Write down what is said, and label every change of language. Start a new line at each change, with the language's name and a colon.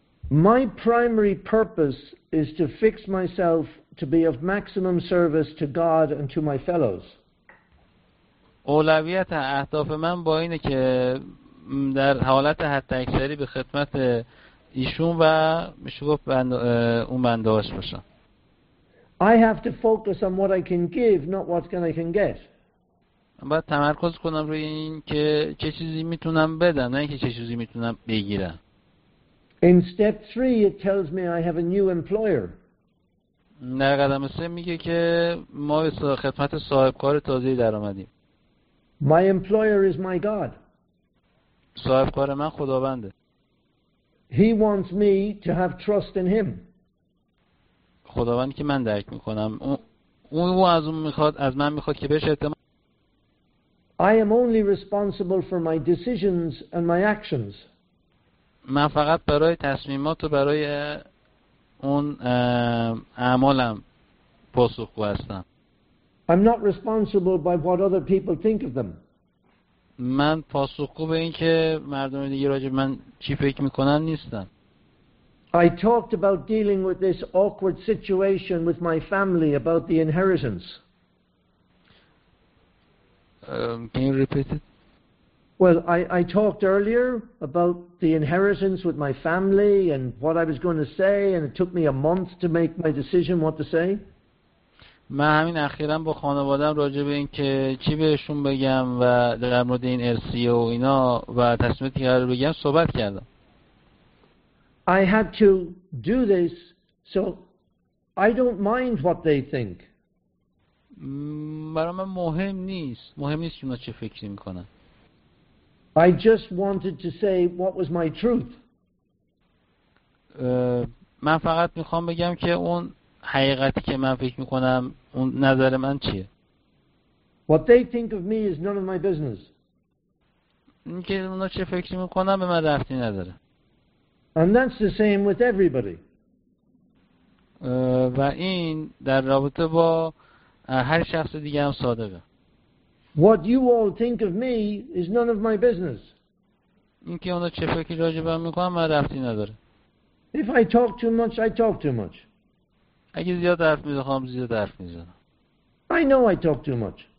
English: My primary purpose is to fix myself to be of maximum service to God and to my fellows.
Persian: اولویت اهداف من با اینه که در حالت حداکثری به خدمت ایشون و میشه گفت اون بنده هاش باشم.
English: I have to focus on what I can give, not what can I can get.
Persian: من باید تمرکز کنم روی این که چه چیزی میتونم بدم، نه اینکه چه چیزی میتونم بگیرم.
English: In step 3 it tells me I have a new employer.
Persian: در قدم 3 میگه که ما به خدمت صاحب کار تازه‌ای در آمدیم.
English: My employer is my God.
Persian: صاحب کار من خداونده.
English: He wants me to have trust in him.
Persian: خداوند که من درک میکنم او از اون میخواد، از من میخواد که بهش اعتماد.
English: I am only responsible for my decisions and my actions.
Persian: من فقط برای تصمیمات و برای اون اعمالم پاسخگو هستم.
English: I'm not responsible by what other people think of them.
Persian: من پاسخگو به این که مردم دیگه راجع به من چی فکر میکنن نیستم.
English: I talked about dealing with this awkward situation with my family about the inheritance. Can you repeat it? Well, I talked earlier about the inheritance with my family and what I was going to say, and it took me a month to make my decision what to say.
Persian: من همین اخیراً با خانواده‌ام راجع به این که چی بهشون بگم و در مورد این ارثیه و اینا و تصمیماتی که قرار بگم صحبت کردم.
English: I had to do this so I don't mind what they think.
Persian: برای من مهم نیست. مهم نیست که اونا چه فکری میکنن.
English: I just wanted to say what was my truth.
Persian: من فقط میخوام بگم که اون حقیقتی که من فکر میکنم اون نظر من چیه.
English: What they think of me is none of my business.
Persian: این که اونا چه فکری میکنن به من ربطی نداره.
English: And that's the same with everybody.
Persian: و این در رابطه با هر شخص دیگه هم صادقه.
English: What you all think of me is none of my business.
Persian: این که اونا چه فکری راجع به من میکنن من ربطی نداره.
English: If I talk too much, I talk too much.
Persian: اگه زیاد حرف میزنم زیاد حرف میزنم.
English: I know I talk too much.